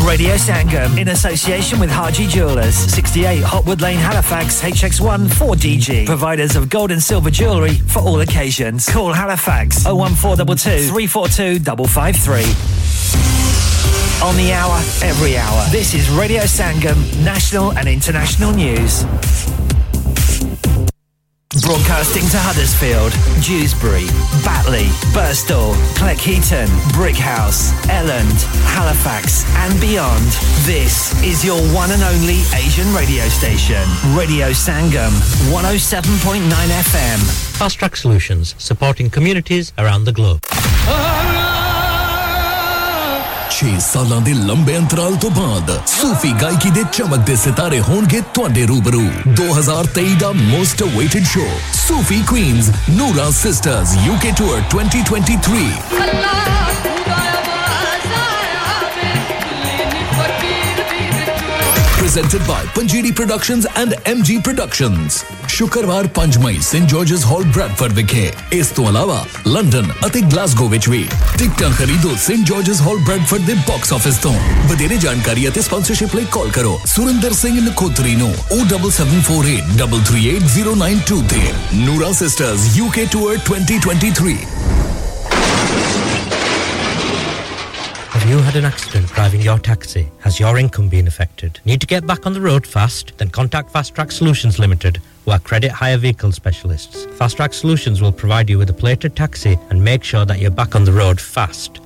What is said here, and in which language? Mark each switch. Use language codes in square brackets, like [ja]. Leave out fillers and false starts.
[en] Radio Sangam in association with Haji jewellers 68 Hopwood lane Halifax HX1 4DG providers of gold and silver jewellery for all occasions call Halifax 01422 342 553 On the hour, every hour. This is Radio Sangam, national and international news. Broadcasting to Huddersfield, Dewsbury, Batley, Birstall, Cleckheaton, Brickhouse, Elland, Halifax and beyond. This is your one and only Asian radio station. Radio Sangam, 107.9 FM. Fast Track Solutions, supporting communities around the globe. [pa] ਛੇ ਸਾਲਾਂ ਦੇ ਲੰਬੇ ਅੰਤਰਾਲ ਤੋਂ ਬਾਅਦ ਸੂਫੀ ਗਾਇਕੀ ਦੇ ਚਮਕਦੇ ਸਿਤਾਰੇ ਹੋਣਗੇ ਤੁਹਾਡੇ ਰੂਬਰੂ 2023 ਦਾ [en] most awaited show [pa] Sufi Queen's Noora sisters UK tour 2023 [en] presented by [pa] panjiri productions and MG productions ਸ਼ੁੱਕਰਵਾਰ 5 ਮਈ ਸੇਂਟ ਜਾਰਜਸ ਹਾਲ ਬ੍ਰੈਡਫੋਰਡ ਵਿਖੇ ਇਸ ਤੋਂ ਇਲਾਵਾ ਲੰਡਨ ਅਤੇ ਗਲਾਸਗੋ ਵਿੱਚ ਵੀ ਟਿਕਟਾਂ ਖਰੀਦੋ ਸੇਂਟ ਜਾਰਜਸ ਹਾਲ ਬ੍ਰੈਡਫੋਰਡ ਦੇ ਬਾਕਸ ਆਫਿਸ ਤੋਂ ਵਧੇਰੇ ਜਾਣਕਾਰੀ ਅਤੇ ਸਪਾਂਸਰਸ਼ਿਪ ਲਈ ਕਾਲ ਕਰੋ ਸੁਰਿੰਦਰ ਸਿੰਘ ਨਖੋਤਰੀ ਨੂੰ 07484833892 ਤੇ ਨੂਰਾ sisters UK tour 2023 [en] Have you had an accident driving your taxi? Has your income been affected? Need to get back on the road fast? Then contact Fast Track Solutions Limited, who are credit hire vehicle specialists. Fast Track Solutions will provide you with a plated taxi and make sure that you're back on the road fast.